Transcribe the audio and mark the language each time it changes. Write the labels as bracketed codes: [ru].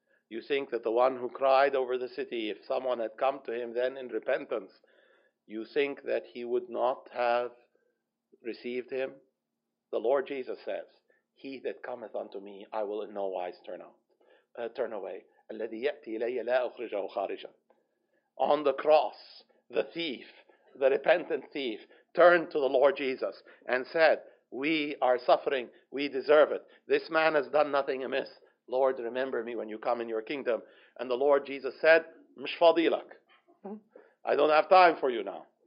[en] You think that the one who cried over the city, if someone had come to him then in repentance, you think that he would not have received him? The Lord Jesus says, he that cometh unto me, I will in no wise turn away. [ar] الذي يأتي إلي لا أخرجه خارجا. [en] On the cross, the thief, the repentant thief, turned to the Lord Jesus and said, we are suffering, we deserve it. This man has done nothing amiss. Lord, remember me when you come in your kingdom. And the Lord Jesus said, [ar] مش فضيلك. [en] I don't have time for you now.